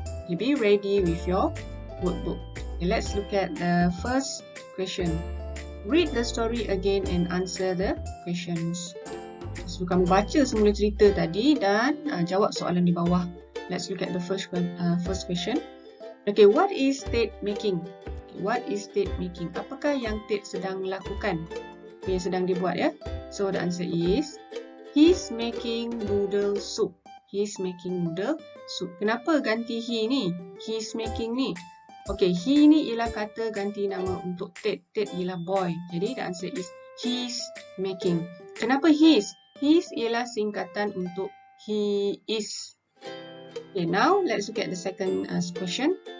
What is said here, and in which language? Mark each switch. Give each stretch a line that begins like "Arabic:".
English: You be ready with your workbook. Okay, let's look at the first question. Read the story again and answer the questions.
Malay: So, kamu baca semula cerita tadi dan jawab soalan di bawah.
English: Let's look at the first question. Okay, what is Ted making? Okay, what is Ted making?
Malay: Apakah yang Ted sedang lakukan? Okay, sedang dibuat ya.
English: So, the answer is, he's making noodle soup. He's making noodle soup.
Malay: Kenapa ganti he ni?
English: He's making ni.
Malay: Okay, he ni ialah kata ganti nama untuk Ted. Ted ialah boy.
English: Jadi, the answer is, he's making.
Malay: Kenapa he's? His ialah singkatan untuk he is.
English: Okay, now let's look at the second question.